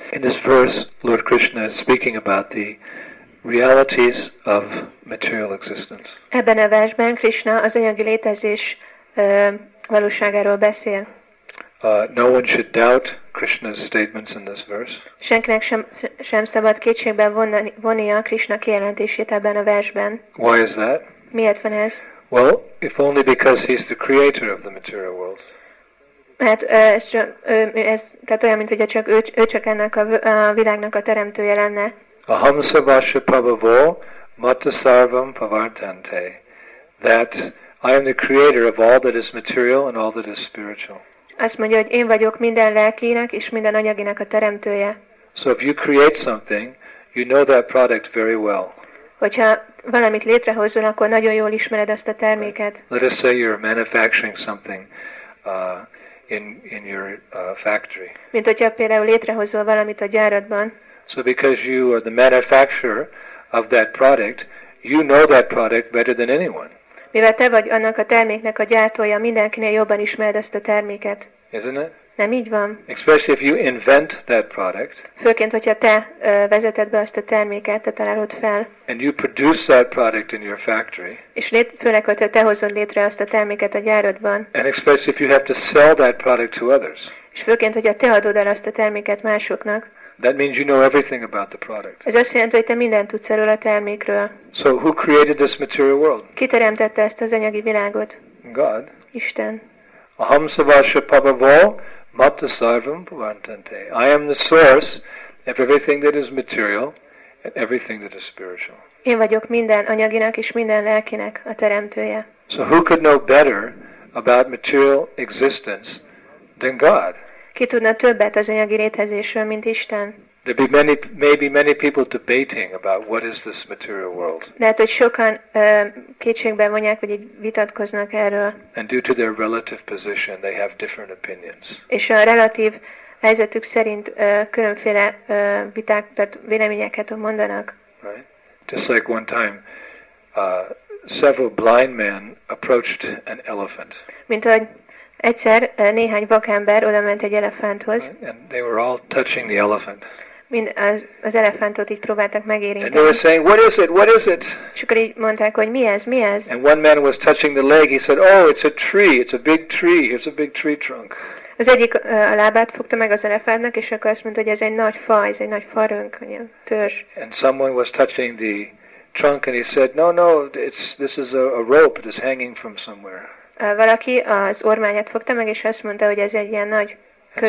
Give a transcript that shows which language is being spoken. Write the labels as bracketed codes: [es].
[en] In this verse, Lord Krishna is speaking about the realities of material existence. [hu] Ebben a versben Krishna az anyagi létezés valóságáról beszél. [en] No one should doubt Krishna's statements in this verse. [hu] Senkinek sem szabad kétségbe vonni a Krishna kijelentését ebben a versben. [en] Why is that? [hu] Miért van ez? [en] Well, if only because he's the creator of the material world. [hu] Hát ez olyan, mint hogy csak ő csak ennek a világnak a teremtője lenne. [sa] Aham sarvasya prabhavo mata sarvam pavartante. [en] That I am the creator of all that is material and all that is spiritual. [hu] Azt mondja, hogy én vagyok minden lelkinek és minden anyaginak a teremtője. [en] So if you create something, you know that product very well. [hu] Hogyha valamit létrehozol, akkor nagyon jól ismered azt a terméket. [en] Let us say you're manufacturing something in your factory. [hu] Mint hogyha például létrehozol valamit a gyáradban. [en] So because you are the manufacturer of that product, you know that product better than anyone. [hu] Mivel te vagy annak a terméknek a gyártója, mindenkinél jobban ismered ezt a terméket. [en] Isn't it? [hu] Nem így van. [en] Especially if you invent that product. [hu] Főként, hogyha te vezeted be azt a terméket, te találod fel. [en] And you produce that product in your factory. [hu] És főleg, hogyha te hozod létre azt a terméket a gyárodban. [en] And especially if you have to sell that product to others. [hu] És főként, hogyha te adod el azt a terméket másoknak. [en] That means you know everything about the product. [hu] Ez azt jelenti, hogy te mindent tudsz erről a termékről. [en] So who created this material world? [hu] Ki teremtette ezt az anyagi világot? [en] God. [hu] Isten. [sa] Aham sarvasya prabhavo mata sarvam pavartante. [en] I am the source of everything that is material and everything that is spiritual. [hu] Én vagyok minden anyaginak és minden lelkinek a teremtője. [en] So who could know better about material existence than God? [hu] Ki tudna többet az anyagi létezésről, mint Isten? [en] There be many, maybe many people debating about what is this material world. [hu] Lehet, hogy sokan kétségbe vonják, vagy így vitatkoznak erről. [en] And due to their relative position, they have different opinions. [hu] És a relatív helyzetük szerint különféle viták, tehát véleményeket mondanak. [en] Right. Just like one time, several blind men approached an elephant. [hu] Mint ahogy egyszer néhány vakember odament egy elefánthoz. [en] And they were all touching the elephant. [hu] Mint az elefántot így próbáltak megérinteni. [en] And they were saying, "What is it? What is it?" [hu] És akkor így mondták, hogy mi ez, mi ez? [en] And one man was touching the leg. He said, "Oh, it's a tree. It's a big tree. It's a big tree trunk." [hu] Az egyik a lábát fogta meg az elefántnak, és akkor azt mondta, hogy ez egy nagy fa, ez egy nagy farönk, egy törzs. [en] And someone was touching the trunk, and he said, "No, no, this is a rope. It is hanging from somewhere." [hu] Valaki az ormányát fogta meg, és azt mondta, hogy ez egy ilyen nagy kötél,